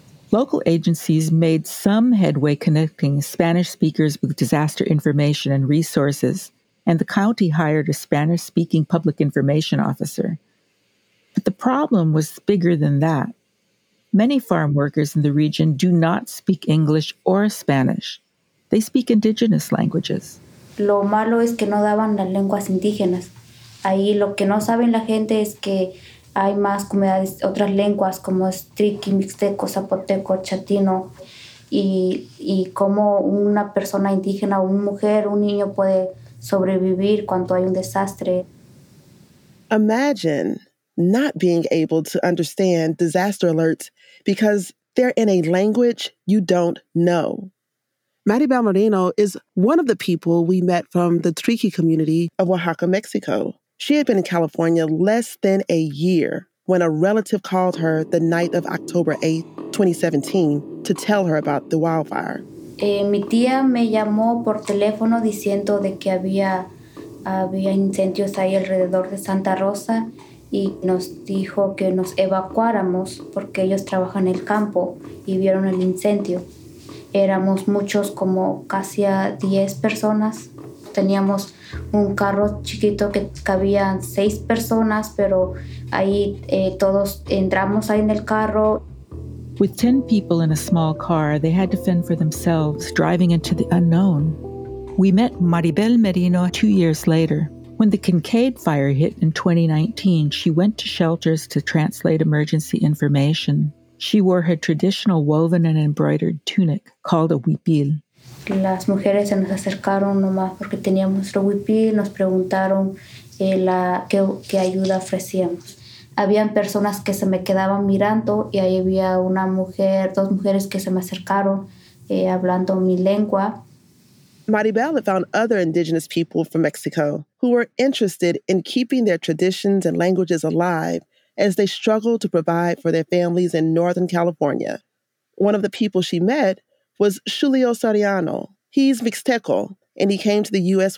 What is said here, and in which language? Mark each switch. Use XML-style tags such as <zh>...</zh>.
<en>Local agencies made some headway connecting Spanish speakers with disaster information and resources, and the county hired a Spanish-speaking public information officer. But the problem was bigger than that. Many farm workers in the region do not speak English or Spanish. They speak indigenous languages.</en> <es>Lo malo es que no daban las lenguas indígenas. Ahí lo que no saben la gente es que hay más comunidades, otras lenguas como Triqui, Mixteco, Zapoteco, Chatino. Y cómo una persona indígena, una mujer, un niño puede sobrevivir cuando hay un desastre.</es> <en>Imagine not being able to understand disaster alerts because they're in a language you don't know. Maribel Moreno is one of the people we met from the Triqui community of Oaxaca, Mexico. She had been in California less than a year when a relative called her the night of October 8, 2017, to tell her about the wildfire.</en> <es>Mi tía me llamó por teléfono diciendo de que había incendios ahí alrededor de Santa Rosa y nos dijo que nos evacuáramos porque ellos trabajan en el campo y vieron el incendio. Éramos muchos, como casi a 10 personas. Teníamos un carro chiquito que cabían 6 personas, pero ahí todos entramos ahí en el carro.</es> <en>With 10 people in a small car, they had to fend for themselves, driving into the unknown. We met Maribel Merino 2 years later. When the Kincade fire hit in 2019, she went to shelters to translate emergency information. She wore her traditional woven and embroidered tunic, called a huipil.</en> <es>Las mujeres se nos acercaron nomás porque teníamos nuestro huipil, nos preguntaron qué ayuda ofrecíamos. Habían personas que se me quedaban mirando y ahí había una mujer, dos mujeres que se me acercaron hablando mi lengua.</es> <en>Maribel had found other indigenous people from Mexico who were interested in keeping their traditions and languages alive as they struggled to provide for their families in Northern California. One of the people she met was Julio Soriano. He's Mixteco, and he came to the U.S.</en>